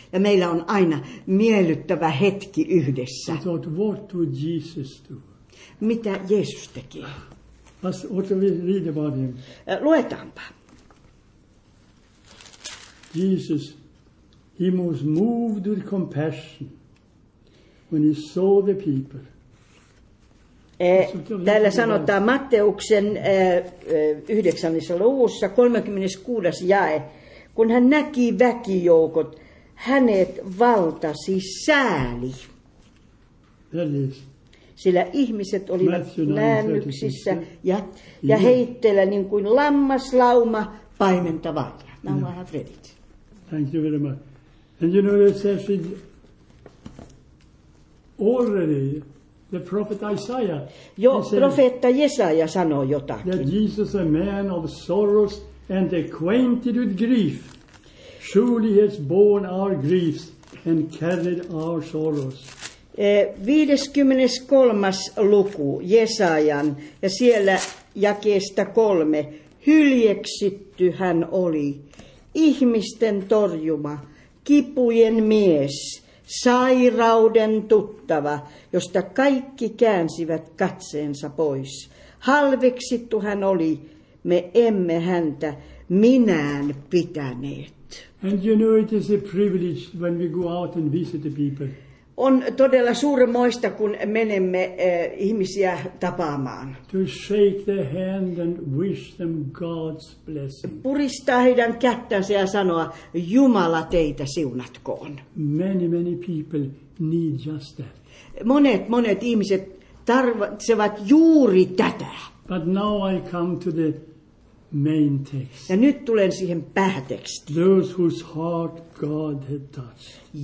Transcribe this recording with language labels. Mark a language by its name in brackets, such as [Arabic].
[Finnish] Ja meillä on aina miellyttävä hetki yhdessä. [English] I thought, what would Jesus do? [Finnish] Mitä Jeesus tekee? [English] What do we read about him? [Finnish] Luetaanpa. [English] Jesus, he was moved with compassion when he saw the people. [Finnish] Täällä sanotaan Matteuksen 9. luvussa 36. jae, kun hän näki väkijoukot, hänet valtasi sääli. Sillä ihmiset olivat läännyksissä ja heitteillä niin kuin lammaslauma paimentavat. [English] Now I have read it. Thank you very much. And you know, it says it already the prophet Isaiah. [Finnish] Jo, profeetta Jesaja sanoo jotakin. [English] That Jesus, a man of sorrows and acquainted with grief, surely has borne our griefs and carried our sorrows. [Finnish] 53. luku Jesajan, ja siellä jakeesta 3. Hyljeksitty hän oli. Ihmisten torjuma, kipujen mies, sairauden tuttava, josta kaikki käänsivät katseensa pois. Halveksittu hän oli, me emme häntä minään pitäneet. [English] And you know, it is a privilege when we go out and visit the people. [Finnish] On todella suuremoista, kun menemme ihmisiä tapaamaan. [English] To shake their hand and wish them God's blessing. [Finnish] Puristaa heidän kättänsä ja sanoa, Jumala teitä siunatkoon. [English] Many, many people need just that. [Finnish] Monet ihmiset tarvitsevat juuri tätä. [English] But now I come to the main text. [Finnish] Ja nyt tulen siihen päätekstiin. [English] Those whose heart God had touched.